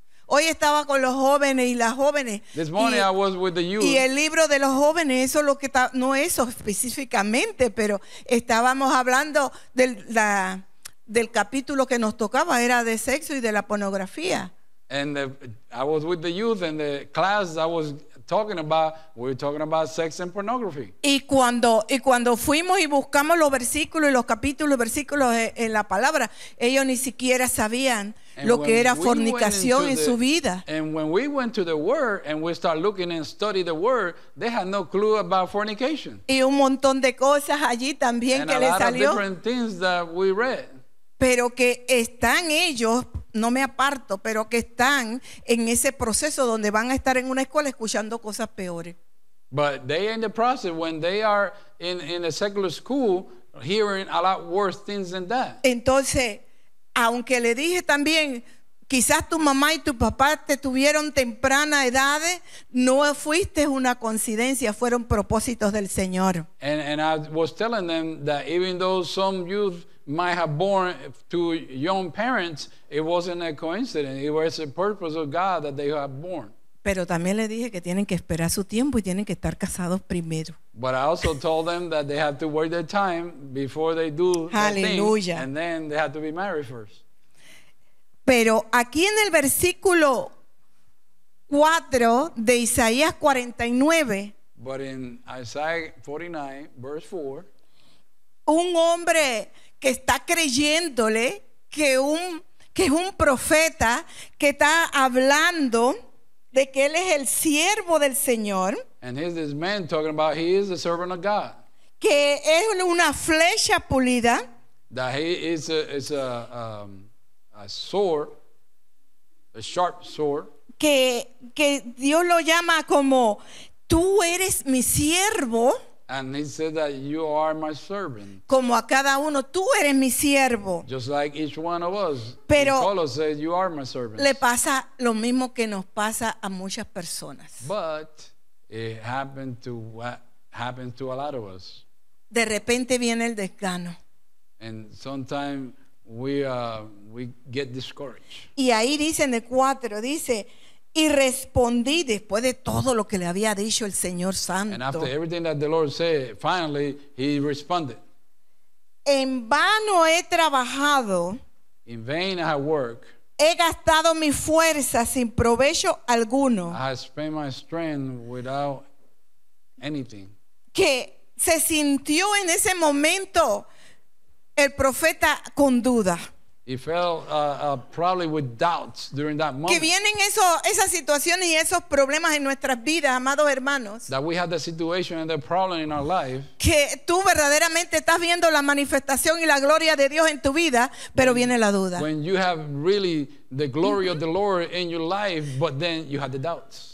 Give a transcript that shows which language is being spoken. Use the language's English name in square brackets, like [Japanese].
[Spanish] Hoy estaba con los jóvenes y las jóvenes. [English] This morning I was with the youth. [Spanish] Y el libro de los jóvenes, eso es lo que está, no eso específicamente, pero estábamos hablando de la del capítulo que nos tocaba, era de sexo y de la pornografía. [English] And I was with the youth and the class I was talking about, we were talking about sex and pornography. [Spanish] Y cuando fuimos y buscamos los versículos y los capítulos, versículos en la palabra, ellos ni siquiera sabían lo que era fornicación en su vida. [English] And when we went to the word and we started looking and studying the word, they had no clue about fornication. [Spanish] Y un montón de cosas allí también que les salió. [English] And a lot of different things that we read. [Spanish] Pero que están ellos, no me aparto, pero que están en ese proceso donde van a estar en una escuela escuchando cosas peores. [English] But they in the process when they are in a secular school hearing a lot worse things than that. [Spanish] Entonces, aunque le dije también, quizás tu mamá y tu papá te tuvieron temprana edad, no fuiste una coincidencia, fueron propósitos del Señor. [English] And I was telling them that even though some youth might have born to young parents, it wasn't a coincidence. It was the purpose of God that they have born. [Spanish] Pero también le dije que tienen que esperar su tiempo y tienen que estar casados primero. [English] But I also told them that they have to wait their time before they do anything, and then they have to be married first. [Spanish] Pero aquí en el versículo 4 de Isaías 49. [English] But in Isaiah 49, verse 4. [Spanish] Un hombre que está creyéndole que es un profeta que está hablando de que él es el siervo del Señor. [English] And here's this man talking about he is the servant of God. [Spanish] Que es una flecha pulida. [English] That he is a sword, a sharp sword. [Spanish] Que Dios lo llama como tú eres mi siervo. [English] And he said that you are my servant. [Spanish] Como a cada uno, tú eres mi siervo. [English] Just like each one of us. [Spanish] Pero [English] Paulo said you are my servant. [Spanish] Le pasa lo mismo que nos pasa a muchas personas. [English] But it happened to what happened to a lot of us. [Spanish] De repente viene el desgano. [English] And sometimes we get discouraged. [Spanish] Y ahí dice en el 4, dice, y respondí después de todo lo que le había dicho el Señor Santo. [English] And after everything that the Lord said, finally he responded. [Spanish] En vano he trabajado. [English] In vain I worked. [Spanish] He gastado mi fuerza sin provecho alguno. [English] I spent my strength without anything. [Spanish] Que se sintió en ese momento el profeta con duda. [English] He felt probably with doubts during that moment. [Spanish] Que vienen esas situaciones y esos problemas en nuestras vidas, amados hermanos. [English] That we have the situation and the problem in our life. [Spanish] Que tú verdaderamente estás viendo la manifestación y la gloria de Dios en tu vida, pero viene la duda. [English] When you have really the glory of the Lord in your life, but then you had the doubts.